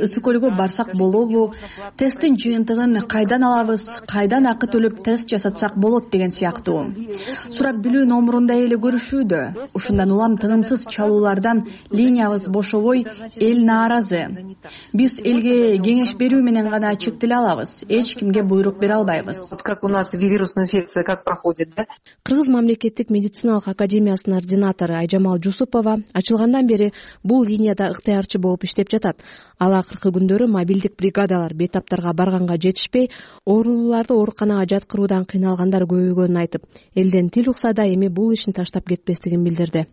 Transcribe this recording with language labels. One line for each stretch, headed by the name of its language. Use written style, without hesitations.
Kyrgyz: Ысык көлгө барсак болобу? Тесттин жыйынтыгын кайдан алабыз? Кайдан акы төлөп тест жасатсак болот деген сыяктуу. Сурап билүү номурунда эле көрүшүүдө. Ушундан улам тынымсыз чалуулардан линиябыз бошобой, эл нааразы. Биз элге кеңеш берүү менен гана чек тиле алабыз. Эч кимге буйрук бере албайбыз.
Russian: Как у нас вирусная инфекция как проходит, да?
Kyrgyz: Кыргыз мамлекеттик медициналык академиясынын ординатору Айжамал Жусупова ачылгандан бери бул линияда ыктыярчы болуп иштеп жатат. Ал акыркы күндөрү мобилдик бригадалар бетаптарга барганга жетишпей, ооруларды ооруканага жаткыруудан кыйналгандар көбөйгөнүн айтып, элден тил укса да эми бул ишин таштап кетпестигин билдирди.